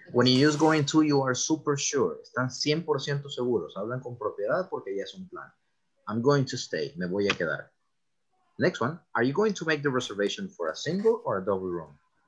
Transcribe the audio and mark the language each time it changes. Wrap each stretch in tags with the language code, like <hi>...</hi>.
<en>When you use going to, you are super sure.</en> <es>Están 100% seguros. Hablan con propiedad porque ya es un plan.</es> <en>I'm going to stay.</en> <es>Me voy a quedar.</es> <en>Next one. Are you going to make the reservation for a single or a double room?</en>